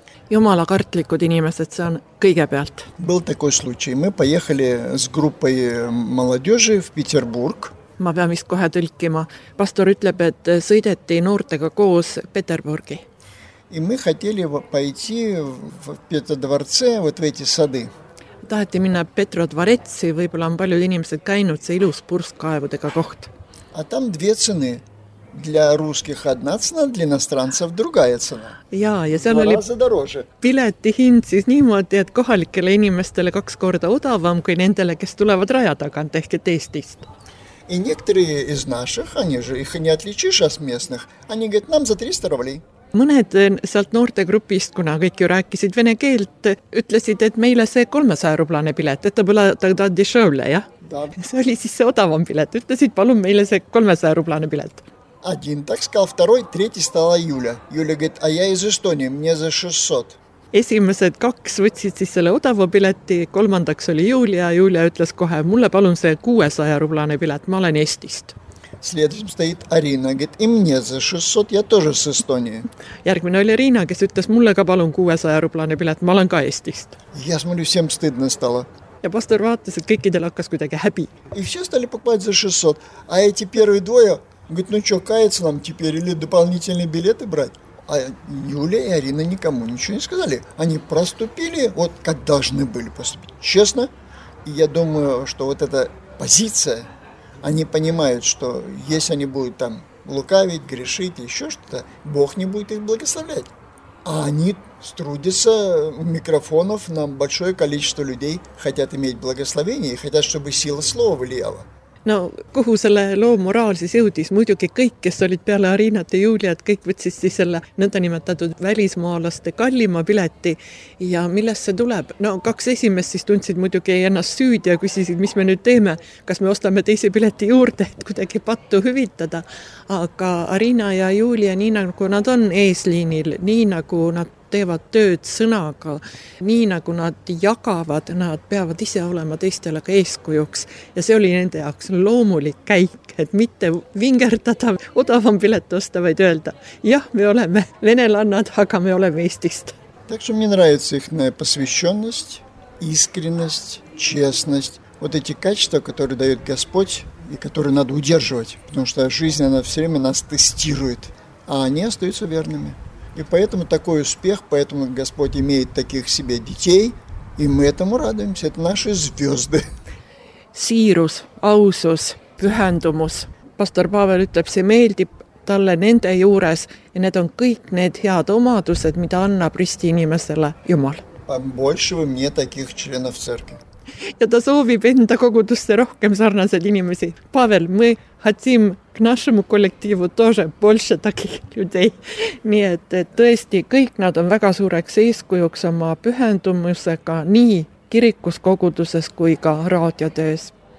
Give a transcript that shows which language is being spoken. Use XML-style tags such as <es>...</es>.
<et>Jumala kartlikud inimesed, see on kõigepealt.</et> <ru>Был такой случай. Мы поехали с группой молодежи в Петербург.</ru> <et>Ma pean vist kohe tõlkima. Pastor ütleb, et sõideti noortega koos Peterburgi.</et> <ru>И мы хотели пойти в Петродворце, вот в эти сады.</ru> <et>Taheti minna Petrodvoretsi, võib-olla on paljud inimesed käinud see ilus purskkaevudega koht.</et> <ru>А там две цены. Для русских одна цена, для иностранцев другая цена.</ru> <et>Ja seal oli pileti hind siis niimoodi, et kohalikele inimestele kaks korda odavam kui nendele, kes tulevad raja tagant, ehk et Eestist.</et> <ru>И некоторые из наших, они же их не отличишь от местных, они говорят, нам за 300 рублей.</ru> <et>Mõned sealt noorte grupist, kuna kõik ju rääkisid vene keelt, ütlesid, et meile see 300 rublane pilet, et ta pole tagdadi šoule, jah? See oli siis see odavam pilet, ütlesid, palun meile see 300 rublane pilet.</et> <ru>Один так сказал, второй, третий стала Юля. Юля говорит, а я из Эстонии, мне за 600.</ru> <et>Esimesed kaks võtsid siis selle odava pileti, kolmandaks oli Julia, Julia ütles kohe, mulle palun see 600 rublane pilet, ma olen Eestist.</et> <ru>Следующим стоит Арина, говорит, и мне за 600, я тоже с Эстонии.</ru> <et>Järgmine oli Riina, kes ütles, mulle ka palun 600 rublane pilet, ma olen ka Eestist.</et> <ru>Я смотрю, всем стыдно стало.</ru> <et>Ja pastor vaatas, et kõikidel hakkas kuidagi häbi.</et> <ru>И все стали покупать за 600, а эти первые двое... Говорит, ну что, каяться нам теперь или дополнительные билеты брать? А Юля и Арина никому ничего не сказали. Они проступили, вот как должны были поступить. Честно, я думаю, что вот эта позиция, они понимают, что если они будут там лукавить, грешить, еще что-то, Бог не будет их благословлять. А они трудятся микрофонов на большое количество людей, хотят иметь благословение и хотят, чтобы сила слова влияла.</ru> <et>No kuhu selle loo moraal siis jõudis? Muidugi kõik, kes olid peale Arinat ja Juliat, kõik võtsis siis selle nõnda nimetatud välismaalaste kallima pileti. Ja millest see tuleb? No kaks esimest siis tundsid muidugi ennast süüd ja küsisid, mis me nüüd teeme, kas me ostame teise pileti juurde, et kuidagi pattu hüvitada. Aga Arina ja Julia, nii nagu nad on eesliinil, nii nagu nad teevad tööd sõnaga, nii nagu nad jagavad, nad peavad ise olema teistele ka eeskujuks. Ja see oli nende jaoks loomulik käik, et mitte vingerdada odavam pilet osta, vaid öelda, jah, me oleme venelannad, aga me oleme Eestist.</et> <ru>Так что мне нравится их посвященность, искренность, честность. Вот эти качества, которые дает Господь и которые надо удерживать, потому что жизнь, она все время нас тестирует, а они остаются верными. И поэтому такой успех, поэтому Господь имеет таких себе детей, и мы этому радуемся, это наши звезды.</ru> <et>Siirus, ausus, pühendumus. Pastor Pavel ütleb, see meeldib talle nende juures, ja need on kõik need head omadused, mida annab risti inimesele Jumal.</et> <ru>Больше вы мне таких членов церкви.</ru> <et>Ja ta soovib enda kogudusse rohkem sarnased inimesi.</et> <ru>Pavel, мы хотим к нашему коллективу тоже больше таких людей.</ru> <et>Nii et tõesti, kõik nad on väga suureks eeskujuks oma pühendumusega nii kirikus koguduses kui ka raadiotöös.</et>